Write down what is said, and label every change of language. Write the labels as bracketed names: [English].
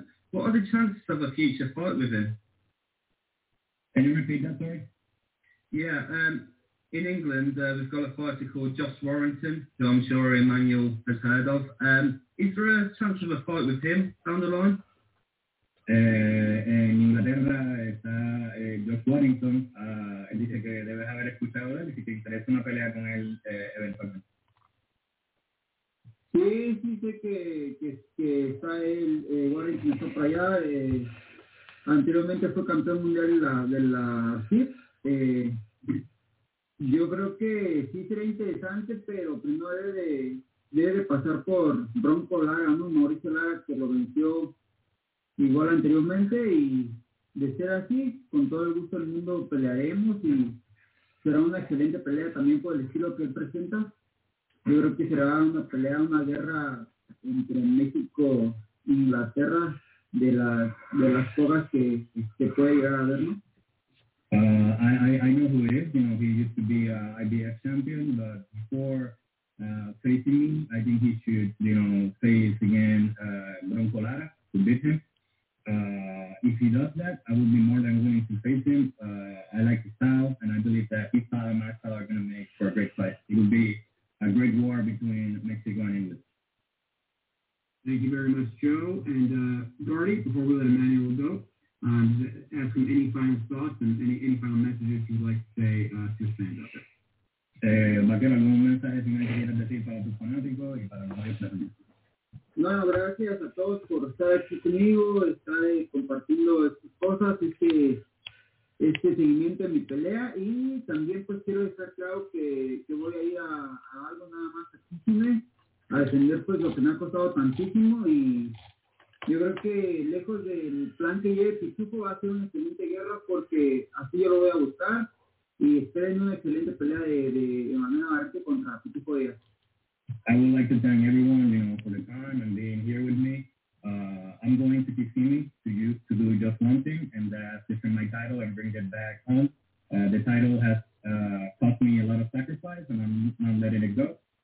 [English] What are the chances of a future fight with him? Can you repeat that, sorry? Yeah. In England, we've got a fighter called Josh Warrington, who I'm sure Emmanuel has heard of. Is there a chance of a fight with him down the line? [Spanish] En Inglaterra está Josh Warrington. Él dice que debes haber escuchado él y si te interesa una pelea con él eventualmente. Sí, sí sé que está él. Warrington está para allá. Anteriormente fue campeón mundial de la CIF. Yo creo que sí sería interesante, pero primero debe pasar por Bronco Lara, ¿no? Mauricio Lara, que lo venció igual anteriormente, y de ser así, con todo el gusto del mundo pelearemos y será una excelente pelea también por el estilo que él presenta. Yo creo que será una pelea, una guerra entre México e Inglaterra de las cosas que puede llegar a haber, ¿no? [English] I know who it is. You know, he used to be a IBF champion, but before facing me, I think he should, you know, face again Bronco Lara to beat him. If he does that, I would be more than willing to face him. I like his style, and I believe that his style and my style are going to make for a great fight. It would be a great war between Mexico and England. Thank you very much, Joe. And Gardy, before we let Emmanuel go, ask him any final thoughts and any final messages you'd like to say to stand up there. [Spanish] Vaquero, ¿algún mensaje que me quieras decir para tus fanáticos y para los demás? No, gracias a todos por estar aquí conmigo, estar compartiendo estas cosas, este seguimiento de mi pelea, y también pues quiero dejar claro que voy a ir a algo nada más aquí, a defender pues lo que me ha costado tantísimo, y yo creo que lejos del plan que lleve Pichuco va a ser una excelente guerra, porque así yo lo voy a buscar, y estoy en una excelente pelea de Emanuel Navarrete contra Pichuco Díaz. [English] I would like to thank everyone, you know, for the time and being here with me. I'm going to Kissimmee to do just one thing, and that's defend my title and bring it back home. The title has cost me a lot of sacrifice, and I'm not letting it go.